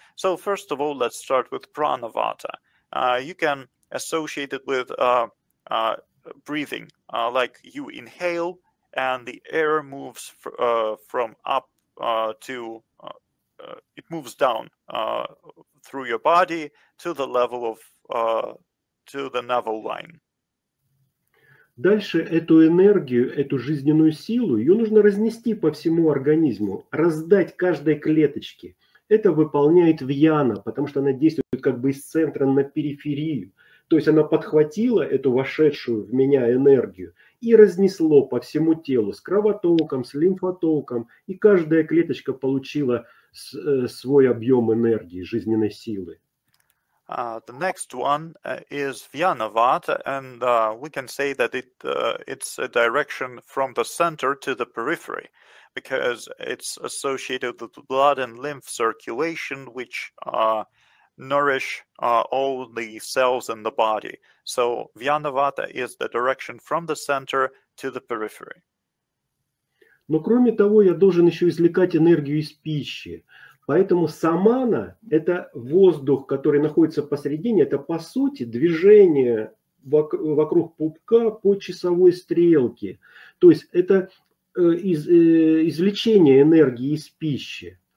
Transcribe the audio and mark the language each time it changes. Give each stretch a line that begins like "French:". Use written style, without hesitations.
English: So first of all, let's start with prana vata. You can associate it with breathing, like you inhale and the air moves from up to it moves down through your body to the level of to the navel line.
Russian: Дальше эту энергию, эту жизненную силу, ее нужно разнести по всему организму, раздать каждой клеточке. Это выполняет вьяна, потому что она действует как бы из центра на периферию. То есть она подхватила эту вошедшую в меня энергию и разнесло по всему телу с кровотоком, с лимфотоком, и каждая клеточка получила свой объем энергии, жизненной силы.
English: The next one is Vyana Vata, and we can say that it's a direction from the center to the periphery, because it's associated with blood and lymph circulation, which nourish all the cells in the body. So Vyana Vata is the direction from the center to the periphery.
Russian: Но кроме того, я должен еще извлекать энергию из пищи. Поэтому самана – это воздух, который находится посередине, это, по сути, движение вокруг пупка по часовой стрелке. То есть это извлечение энергии из пищи.